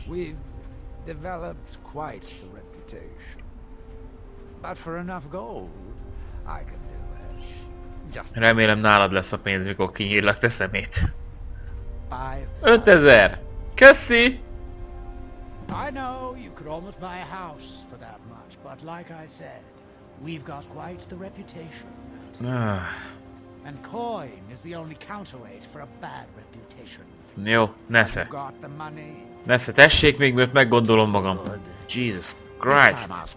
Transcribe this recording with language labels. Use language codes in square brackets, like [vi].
[en] We've developed quite the reputation. But for enough gold, I can do it. [hu] Just remélem nálad lesz a pénz, mikor kinyírlak te szemét. 5000! Köszi! [en] I know you could almost buy a house for that much, but like I said, we've got quite the reputation. And coin is the only counterweight for a bad reputation. [hu] Jó, nesze. Nesze, tessék még, mert meggondolom magam. [en] Jesus Christ.